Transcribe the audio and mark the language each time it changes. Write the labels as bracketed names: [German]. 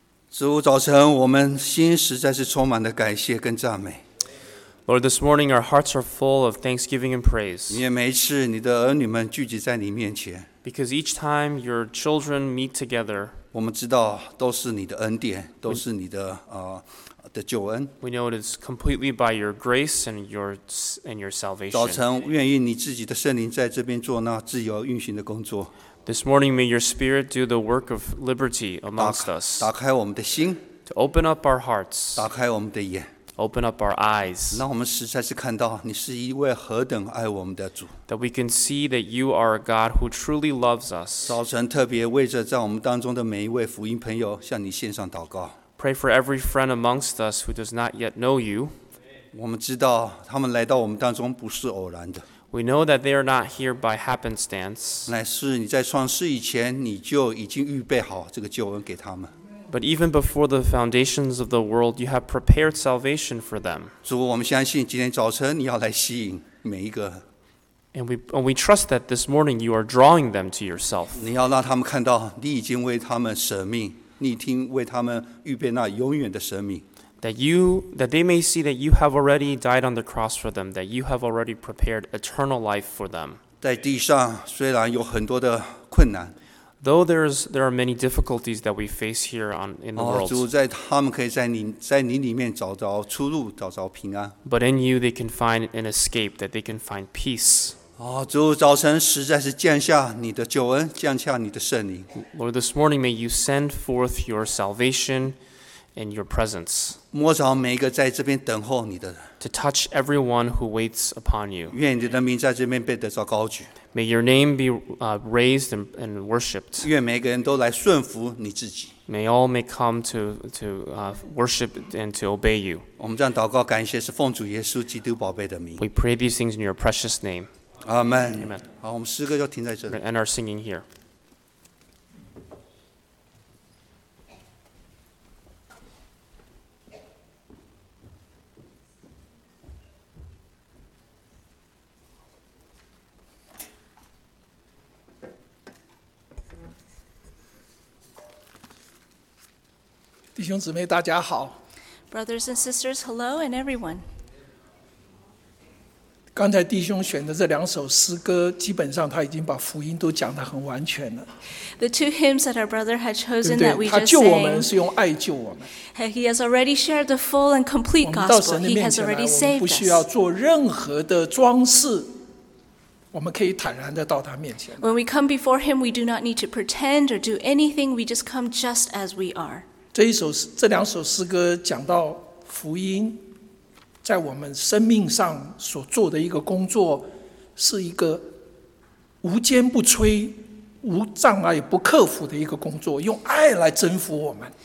[Chinese] 主，早晨我们心实在是充满了感谢跟赞美。 [English] Lord, this morning our hearts are full of thanksgiving and praise. [Chinese] 你也每一次你的儿女们聚集在你面前。 [English] Because each time your children meet together, [Chinese] 我们知道都是你的恩典，都是你的的救恩。 [English] We know it is completely by your grace and your salvation. [Chinese] 早晨愿意你自己的圣灵在这边做那自由运行的工作。 [English] This morning, may your spirit do the work of liberty amongst us. [Chinese] 打开我们的心。 [English] To open up our hearts. [Chinese] 打开我们的眼。 [English] Open up our eyes. [Chinese] 让我们实在是看到你是一位何等爱我们的主。 [English] That we can see that you are a God who truly loves us. [Chinese] 早晨特别为着在我们当中的每一位福音朋友向你献上祷告。 [English] Pray for every friend amongst us who does not yet know you. [Chinese] 我们知道他们来到我们当中不是偶然的。 [English] We know that they are not here by happenstance. [Chinese] 乃是你在创世以前你就已经预备好这个救恩给他们。 [English] But even before the foundations of the world, you have prepared salvation for them. [Chinese] 主，我们相信今天早晨你要来吸引每一个。 [English] And we trust that this morning you are drawing them to yourself. [Chinese] 你要让他们看到你已经为他们舍命，你已经为他们预备那永远的生命。 [English] That they may see that you have already died on the cross for them, that you have already prepared eternal life for them. [Chinese] 在地上虽然有很多的困难。 [English] Though there are many difficulties that we face here in the world. [Chinese] 主，在他们可以在你里面找着出路，找着平安。 [English] But in you they can find an escape, that they can find peace. [Chinese] 主，早晨实在是降下你的救恩，降下你的圣灵。 [English] Lord, this morning may you send forth your salvation. In your presence, [Chinese] 摸着每一个在这边等候你的人 [English] to touch everyone who waits upon you. [Chinese] 愿你的名在这边被得着高举 [English] May your name be raised and worshipped. [Chinese] 愿每个人都来顺服你自己 [English] May all may come to worship and to obey you. [Chinese] 我们这样祷告感谢是奉主耶稣基督宝贝的名 [English] We pray these things in your precious name. Amen. Amen. [Chinese] 好，我们诗歌就停在这里 [English] And our singing here. [Chinese] 弟兄姊妹，大家好。 [English] Brothers and sisters, hello and everyone. [Chinese] 刚才弟兄选的这两首诗歌，基本上他已经把福音都讲得很完全了。 [English] The two hymns that our brother had chosen 对对 that we just sang. [Chinese] 他救我们是用爱救我们。 [English] He has already shared the full and complete gospel. [Chinese] 我们到神的面前来，我们不需要做任何的装饰。我们可以坦然地到他面前。 [English] When we come before him, we do not need to pretend or do anything. We just come just as we are. [Chinese] 这两首诗歌讲到福音在我们生命上所做的一个工作是一个无坚不摧无障碍不克服的一个工作用爱来征服我们